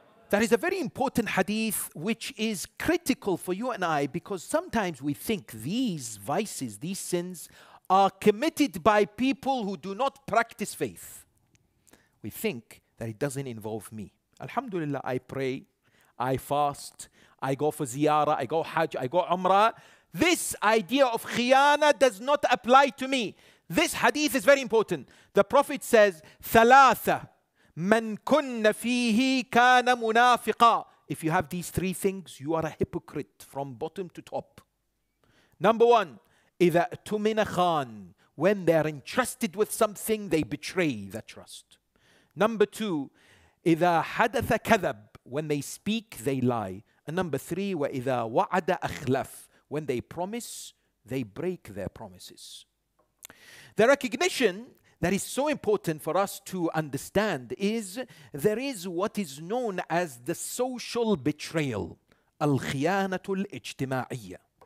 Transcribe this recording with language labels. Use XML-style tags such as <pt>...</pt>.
<en>That is a very important hadith which is critical for you and I, because sometimes we think these vices, these sins, are committed by people who do not practice faith. we think that it doesn't involve me. Alhamdulillah, I pray, I fast, I go for ziyarah, I go hajj, I go umrah. This idea of khiyana does not apply to me. This hadith is very important. The Prophet says,</en> <ar>ثَلَاثَ مَنْ كُنَّ فِيهِ كَانَ مُنَافِقًا.</ar> <en>If you have these three things, you are a hypocrite from bottom to top. Number one,</en> <ar>إِذَا أْتُمِنَ خَانٍ.</ar> <en>When they are entrusted with something, they betray the trust. Number two,</en> <ar>إِذَا حَدَثَ كَذَبْ.</ar> <en>When they speak, they lie. And number three,</en> <ar>وَإِذَا وَعَدَ أَخْلَفْ.</ar> <en>When they promise, they break their promises. The recognition that is so important for us to understand is there is what is known as the social betrayal, al-khiyanatul ijtima'iyya.</en>